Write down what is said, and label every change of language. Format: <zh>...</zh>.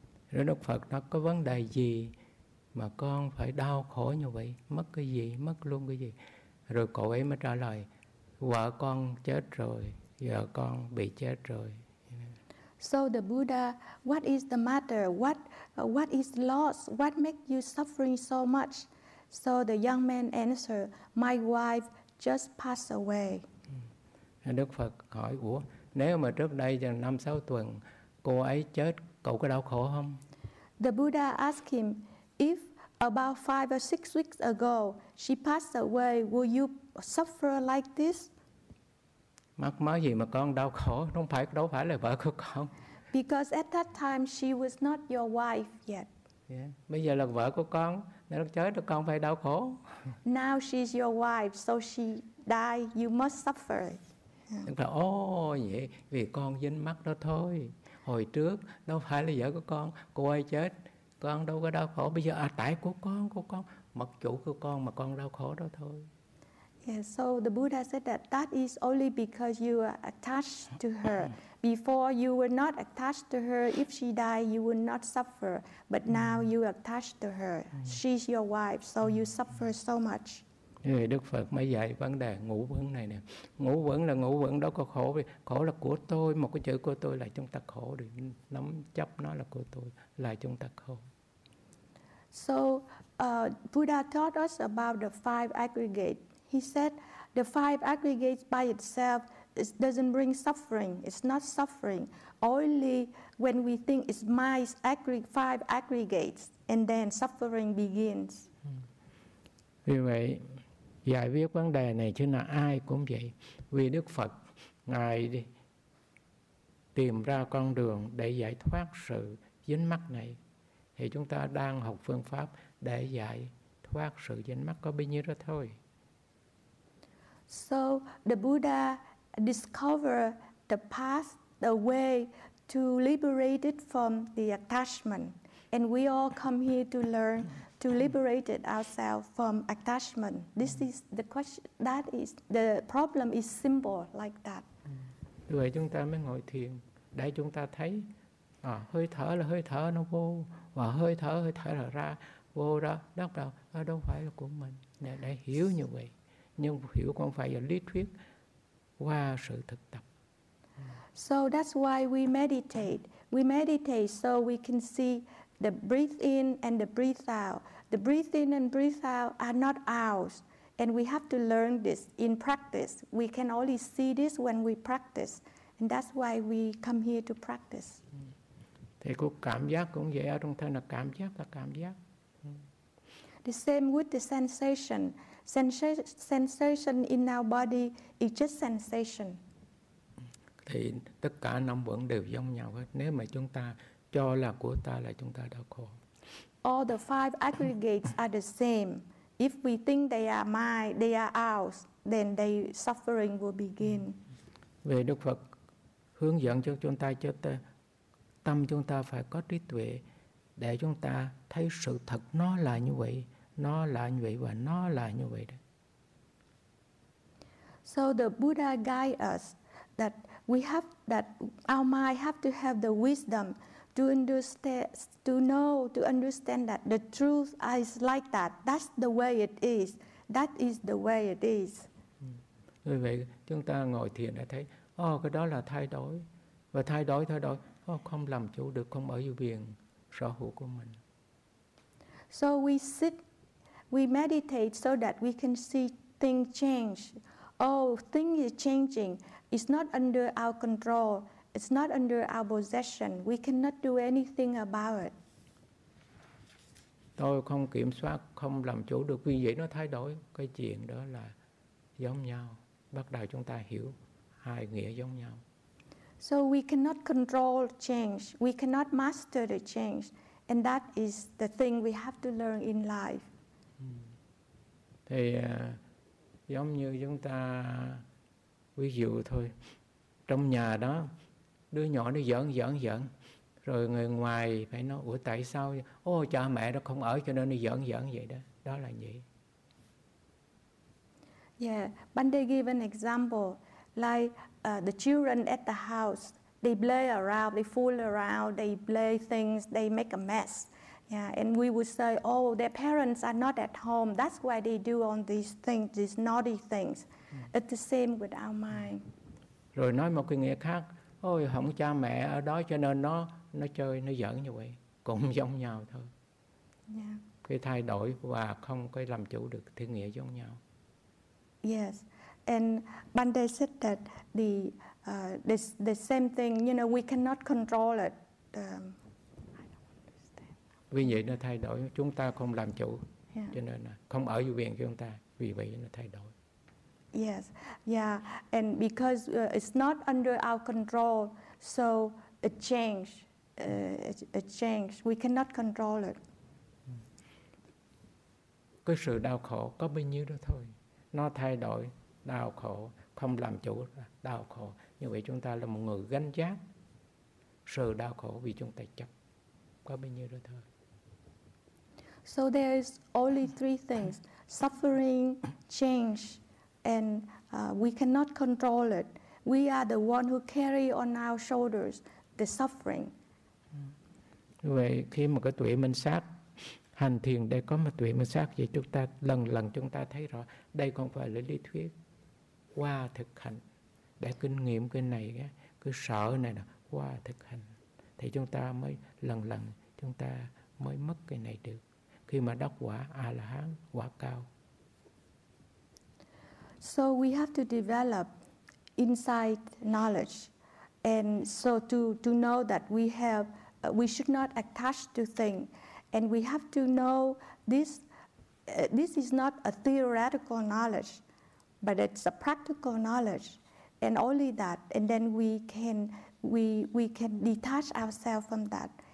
<vi>Rồi Đức Phật nó có vấn đề gì mà con phải đau khổ như vậy, mất cái gì, mất luôn cái gì. Rồi cậu ấy mới trả lời, vợ con chết rồi, vợ con bị chết rồi.</vi> <en>So the Buddha, "What is the matter? What is lost? What makes you suffering so much?" So the young man answered, "My wife just passed away."</en> <vi>Đức Phật hỏi, ủa, nếu mà trước đây 5-6 tuần cô ấy chết, cậu có đau khổ không?</vi> <en>The Buddha asked him, "If about 5 or 6 weeks ago she passed away, will you suffer like this?"</en> <vi>Mắc mớ gì mà con đau khổ, đâu phải là vợ của con.</vi> <en>Because at that time she was not your wife yet. Yeah.</en> <vi>Bây giờ là vợ của con, nếu chết thì con phải đau khổ.</vi> <en>Now she's your wife, so she died, you must suffer.</en> <vi>Đức Phật, vậy vì con dính mắc đó thôi. Hồi trước đâu phải là vợ của con, cô ấy chết, con đâu có đau khổ. Bây giờ tại của con mặc chủ của con mà con đau khổ đó thôi.</vi> <en>Yeah, so the Buddha said that is only because you are attached to her. Before you were not attached to her. If she died, you would not suffer. But now you are attached to her. She's your wife, so you suffer so much.</en> <vi>Đức Phật mới dạy vấn đề ngũ quẩn này nè. Ngũ quẩn là ngũ quẩn đó có khổ, vì khổ là của tôi, một cái chữ của tôi là chúng ta khổ, được nắm chấp nó là của tôi là chúng ta khổ.</vi> <en>So Buddha taught us about the five aggregates. He said the five aggregates by itself doesn't bring suffering. It's not suffering. Only when we think it's my five aggregates, and then suffering begins.</en> <vi>Vì vậy giải quyết vấn đề này chứ là ai cũng vậy. Vì Đức Phật, Ngài tìm ra con đường để giải thoát sự dính mắc này. Thì chúng ta đang học phương pháp để giải thoát sự dính mắc có bấy nhiêu đó thôi.</vi> <en>So the Buddha discovered the path, the way to liberate it from the attachment. And we all come here to learn to liberate ourselves from attachment. This is the question. That is the problem is simple like that.</en> <vi>Rồi chúng ta mới ngồi thiền để chúng ta thấy hơi thở là hơi thở nó vô và hơi thở là ra vô ra đắc đạo đó đâu phải là của mình để hiểu như vậy nhưng hiểu không phải là lý thuyết qua sự thực tập.</vi> <en>So that's why we meditate. We meditate so we can see the breathe in and the breathe out. The breathe in and breathe out are not ours. And we have to learn this in practice. We can only see this when we practice. And that's why we come here to practice.</en> <vi>Thì cái cảm giác cũng vậy, trong thân là cảm giác.</vi> <en>The same with the sensation. Sensation in our body is just sensation.</en> <vi>Thì tất cả năm vẫn đều giống nhau hết. Nếu mà chúng ta cho là của ta là chúng ta đau khổ.</vi> <en>All the five aggregates are the same. If we think they are mine, they are ours, then they suffering will begin.</en> <vi>Vì Đức Phật hướng dẫn cho chúng ta cho tâm chúng ta phải có trí tuệ để chúng ta thấy sự thật nó là như vậy, nó là như vậy và nó là như vậy đó.</vi> <en>So the Buddha guide us that we have that our mind have to have the wisdom to understand, to know, to understand that the truth is like that. That's the way it is. That is the way it is.</en> <vi>Vì vậy, chúng ta ngồi thiền đã thấy, cái đó là thay đổi. Và thay đổi, không làm chủ được, không ở quyền sở hữu của mình.</vi> <en>So we sit, we meditate so that we can see things change. Thing is changing. It's not under our control. It's not under our possession. We cannot do anything about it.</en> <vi>Tôi không kiểm soát, không làm chủ được vì vậy nó thay đổi. Cái chuyện đó là giống nhau. Bắt đầu chúng ta hiểu hai nghĩa giống nhau.</vi> <en>So we cannot control change. We cannot master the change. And that is the thing we have to learn in life.</en> <vi>Thì giống như chúng ta ví dụ thôi. Trong nhà đó đứa nhỏ nó giỡn, rồi người ngoài phải nói, ủa tại sao, cha mẹ nó không ở cho nên nó giỡn vậy đó, đó là vậy.</vi> <en>Yeah, Bhante gave an example, like the children at the house, they play around, they fool around, they play things, they make a mess. Yeah, and we would say, their parents are not at home, that's why they do all these things, these naughty things. It's the same with our mind.</en> <vi>Rồi nói một cái nghĩa khác, không cha mẹ ở đó cho nên nó chơi nó giỡn như vậy cũng giống nhau thôi.</vi> <en>Yeah.</en> <vi>Cái thay đổi và không có làm chủ được thì nghĩa giống nhau.</vi> <en>Yes, and Bhante said that the same thing, you know, we cannot control it. I don't understand.</en> <vi>Vì vậy nó thay đổi, chúng ta không làm chủ, cho nên không ở quyền của chúng ta, vì vậy nó thay đổi.</vi> <en>Yes, yeah, and because it's not under our control, so it changed. We cannot control it.</en> <vi>Cái sự đau khổ có bao nhiêu đó thôi. Nó thay đổi, đau khổ, không làm chủ, đau khổ. Như vậy chúng ta là một người gánh giác sự đau khổ vì chúng ta chấp. Có bao nhiêu đó thôi.</vi> <en>So there is only three things, suffering, change, and we cannot control it. We are the one who carry on our shoulders the suffering.</en> <vi>Vậy khi mà cái tuệ minh sát hành thiền để có một tuệ minh sát vậy chúng ta lần lần chúng ta thấy rõ đây không phải là lý thuyết qua thực hành để kinh nghiệm cái này cái sợ này nè qua thực hành thì chúng ta mới lần lần chúng ta mới mất cái này được khi mà đắc quả a la hán quả cao.</vi> <en>So we have to develop insight knowledge, and so to know that we have we should not attach to things, and we have to know this. This is not a theoretical knowledge, but it's a practical knowledge, and only that, and then we can detach ourselves from that.</en>